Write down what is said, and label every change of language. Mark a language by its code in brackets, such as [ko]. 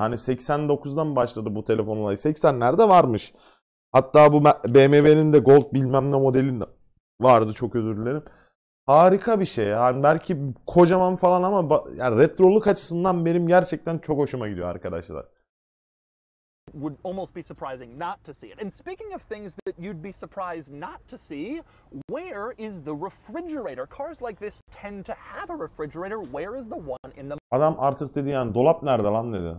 [tr] Hani 89'dan başladı bu telefon olayı. 80'lerde varmış. Hatta bu BMW'nin de Gold bilmem ne modelinde vardı. Çok özür dilerim. Harika bir şey yani, belki kocaman falan ama yani retroluk açısından benim gerçekten çok hoşuma gidiyor arkadaşlar. [en] Would almost be surprising not to see it. And speaking of things that you'd be surprised not to see, where is the refrigerator? Cars like this tend to have a refrigerator. Where is the one in the... [tr] Adam artık dedi yani, dolap nerede lan dedi.